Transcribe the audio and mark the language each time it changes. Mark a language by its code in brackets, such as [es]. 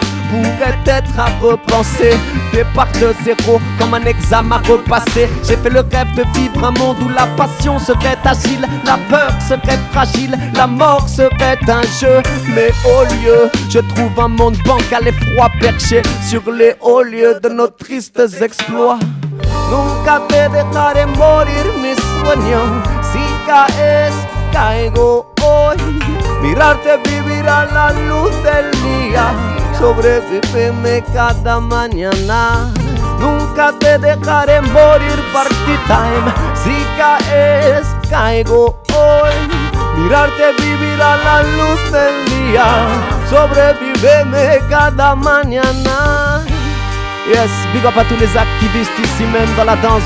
[fr] pourrait être à repenser. Départ de zéro, comme un examen à repasser. J'ai fait le rêve de vivre un monde où la passion serait agile, la peur serait fragile, la mort serait un jeu. Mais au lieu, je trouve un monde bancal et froid, perché sur les hauts lieux de nos tristes exploits. [es] Nunca te dejaré morir mi sueño. Si caes, caigo hoy. Mirarte vivir a la luz del día. Sobrevíveme cada mañana. Nunca te dejaré morir [en] party time. [es] Si caes, caigo hoy. Mirarte vivir a la luz del día. Sobrevíveme cada mañana. [en] Yes, big up [fr] à tous les activistes ici même dans la danse.